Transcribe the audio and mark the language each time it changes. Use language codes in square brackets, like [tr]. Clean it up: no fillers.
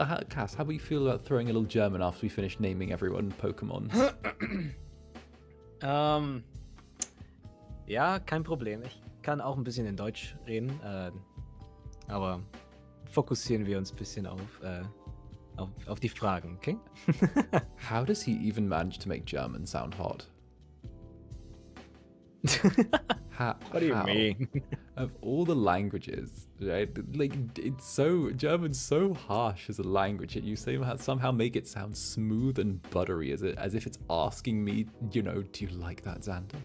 [en] Cass, how do you feel about throwing a little German after we finish naming everyone Pokemon? [de] Ja, kein Problem. Ich kann auch ein bisschen in Deutsch reden, aber fokussieren wir uns ein bisschen auf die Fragen, okay? [en] How does he even manage to make German sound hot? What do you mean? Of all the languages, right? Like, it's so, German's so harsh as a language, and you somehow make it sound smooth and buttery, as if it's asking me, you know, do you like that, Xander?